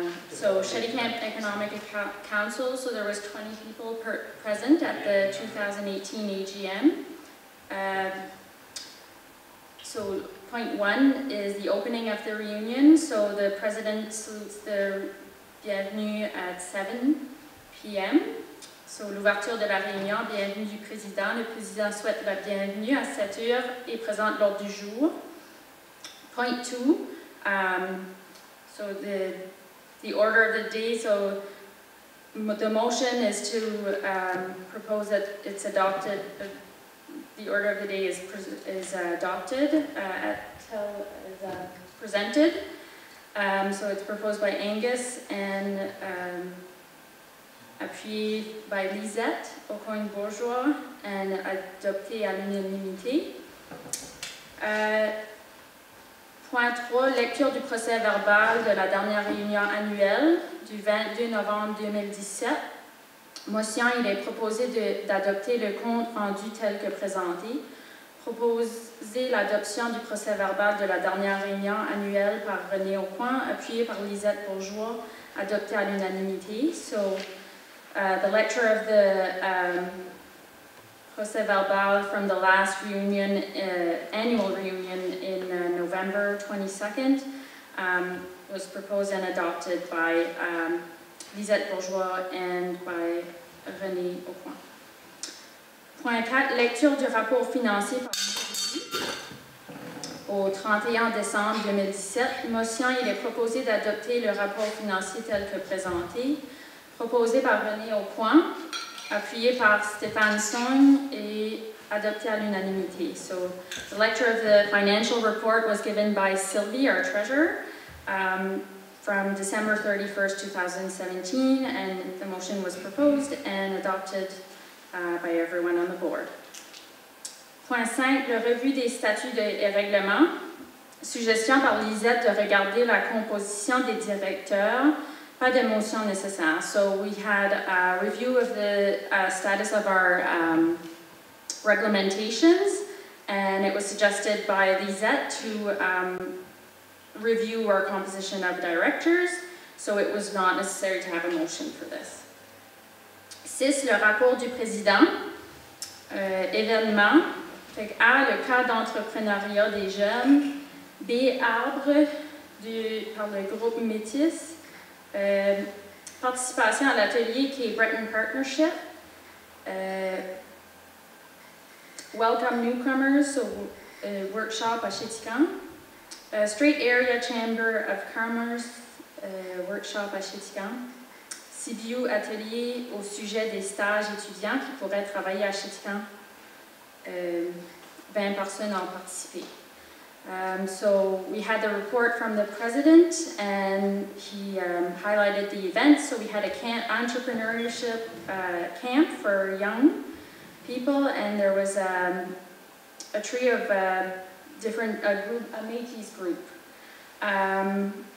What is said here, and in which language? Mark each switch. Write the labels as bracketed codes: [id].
[en] So Chéticamp Economic Council, so there was 20 people present at the 2018 AGM. So point one is the opening of the reunion, so the president salutes the bienvenue at 7 p.m. [fr] So l'ouverture de la réunion, bienvenue du président, le président souhaite la bienvenue à 7 h et présente l'ordre du jour. [en] Point two, so the order of the day, so the motion is to propose that it's adopted, the order of the day is presented. So it's proposed by Angus and appuyed by Lisette au coin bourgeois and [fr] adopté à l'unanimité. Point 3, lecture du procès verbal de la dernière réunion annuelle du 22 novembre 2017. Motion, il est proposé d'adopter le compte rendu tel que présenté. Proposer l'adoption du procès verbal de la dernière réunion annuelle par René Aucoin, appuyé par Lisette Bourgeois, adopté à l'unanimité. [en] So, the lecture of the procès verbal from the last reunion, annual reunion in November 22nd, was proposed and adopted by Lisette Bourgeois and by René Aucoin. [fr] Point 4, lecture du rapport financier par au 31 décembre 2017. Motion, il est proposé d'adopter le rapport financier tel que présenté. Proposé par René Aucoin, appuyé par Stéphane Song et adopté à l'unanimité. [en] So, the lecture of the financial report was given by Sylvie, our treasurer, from December 31st, 2017, and the motion was proposed and adopted by everyone on the board. [fr] Point 5, le revue des statuts et règlements. Suggestion par Lisette de regarder la composition des directeurs. Pas de motion nécessaire. [en] So we had a review of the status of our reglementations, and it was suggested by Lisette to review our composition of directors, so it was not necessary to have a motion for this. [fr] 6, le rapport du président, événement, fait A, le cas d'entrepreneuriat des jeunes, B, arbre par le groupe Métis, participation à l'atelier qui est Breton Partnership, [en] Welcome Newcomers, so, workshop [fr] à Chéticamp, Street Area Chamber of Commerce, workshop à Chéticamp, CBU Atelier au sujet des stages étudiants qui pourraient travailler à Chéticamp, 20 personnes ont participé. [en] So we had the report from the president, and he highlighted the events. So we had a camp, entrepreneurship camp for young people, and there was a trio of different group, a Métis group.